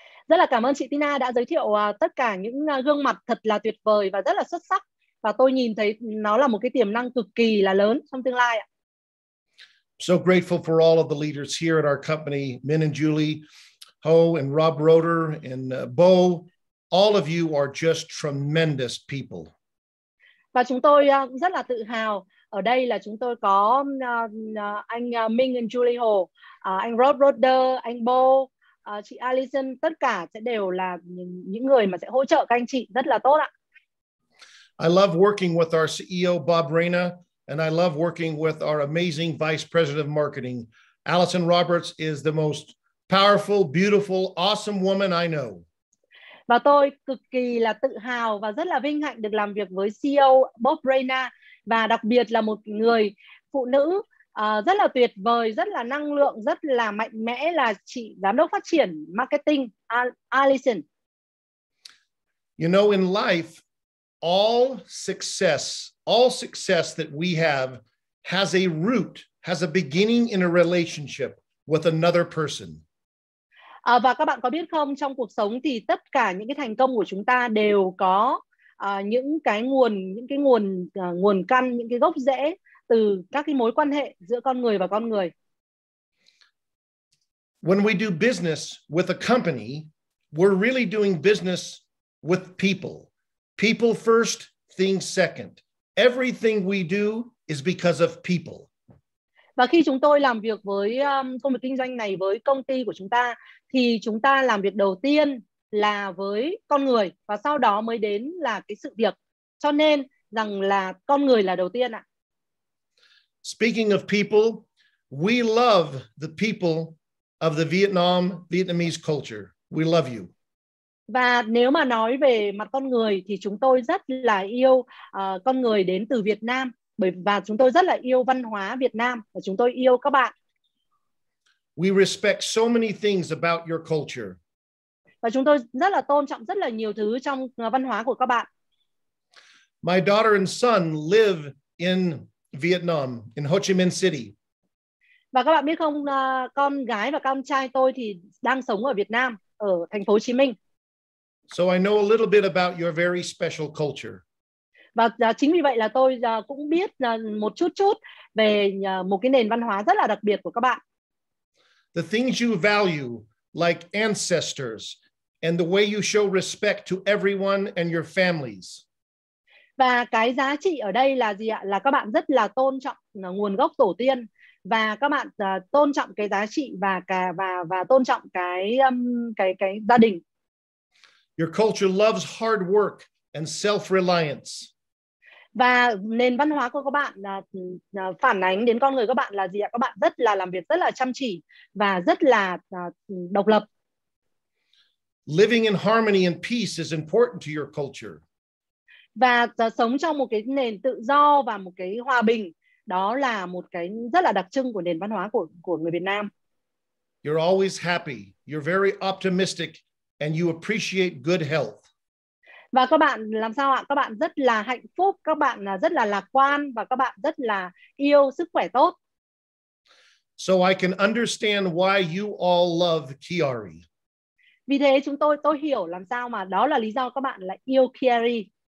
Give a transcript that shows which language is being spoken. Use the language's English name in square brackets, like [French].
[Vietnamese] Rất là cảm ơn chị Tina đã giới thiệu tất cả những gương mặt thật là tuyệt vời và rất là xuất sắc. Và tôi nhìn thấy nó là một cái tiềm năng cực kỳ là lớn trong tương lai ạ. [English] So grateful for all of the leaders here at our company, Min and Julie, Ho and Rob Roeder and Bo. All of you are just tremendous people. [Vietnamese] Và chúng tôi rất là tự hào ở đây là chúng tôi có anh Min and Julie Ho, anh Rob Roeder, anh Bo, chị Allison, tất cả sẽ đều là những người mà sẽ hỗ trợ các anh chị rất là tốt ạ. [English] I love working with our CEO Bob Reyna, and I love working with our amazing Vice President of Marketing. Allison Roberts is the most powerful, beautiful, awesome woman I know. [Vietnamese] Và tôi cực kỳ là tự hào và rất là vinh hạnh được làm việc với CEO Bob Reyna và đặc biệt là một người phụ nữ rất là tuyệt vời, rất là năng lượng, rất là mạnh mẽ là chị giám đốc phát triển marketing Allison. [English] You know, in life, all success that we have has a root, has a beginning in a relationship with another person. [Vietnamese] Và các bạn có biết không, trong cuộc sống thì tất cả những cái thành công của chúng ta đều có những cái nguồn căn, những cái gốc rễ từ các cái mối quan hệ giữa con người và con người. [English] When we do business with a company, we're really doing business with people. People first, things second. Everything we do is because of people. [Vietnamese] Và khi chúng tôi làm việc với công việc kinh doanh này với công ty của chúng ta, thì chúng ta làm việc đầu tiên là với con người và sau đó mới đến là cái sự việc. Cho nên rằng là con người là đầu tiên ạ. [English] Speaking of people, we love the people of the Vietnamese culture. We love you. [Vietnamese] Và nếu mà nói về mặt con người thì chúng tôi rất là yêu con người đến từ Việt Nam. Và chúng tôi rất là yêu văn hóa Việt Nam và chúng tôi yêu các bạn. [English] We respect so many things about your culture. [Vietnamese] Và chúng tôi rất là tôn trọng rất là nhiều thứ trong văn hóa của các bạn. [English] My daughter and son live in Vietnam, in Ho Chi Minh City. [Vietnamese] Và các bạn biết không, con gái và con trai tôi thì đang sống ở Việt Nam, ở thành phố Hồ Chí Minh. [English] So I know a little bit about your very special culture. [Vietnamese] Và chính vì vậy là tôi cũng biết một chút về một cái nền văn hóa rất là đặc biệt của các bạn. [English] The things you value, like ancestors, and the way you show respect to everyone and your families. [Vietnamese] Và cái giá trị ở đây là gì ạ? Là các bạn rất là tôn trọng nguồn gốc tổ tiên và các bạn tôn trọng cái giá trị và tôn trọng cái gia đình. [English] Your culture loves hard work and self-reliance. [Vietnamese] Và nền văn hóa của các bạn phản ánh đến con người các bạn là gì ạ? Các bạn rất là làm việc, rất là chăm chỉ và rất là độc lập. [English] Living in harmony and peace is important to your culture. [Vietnamese] Và sống trong một cái nền tự do và một cái hòa bình, đó là một cái rất là đặc trưng của nền văn hóa của người Việt Nam. [English] You're always happy. You're very optimistic and you appreciate good health. [Vietnamese] Và các bạn làm sao ạ? Các bạn rất là hạnh phúc, các bạn rất là lạc quan và các bạn rất là yêu sức khỏe tốt. [English] So I can understand why you all love Kiari. [Vietnamese] Vì thế tôi hiểu làm sao mà đó là lý do các bạn lại yêu Kiari.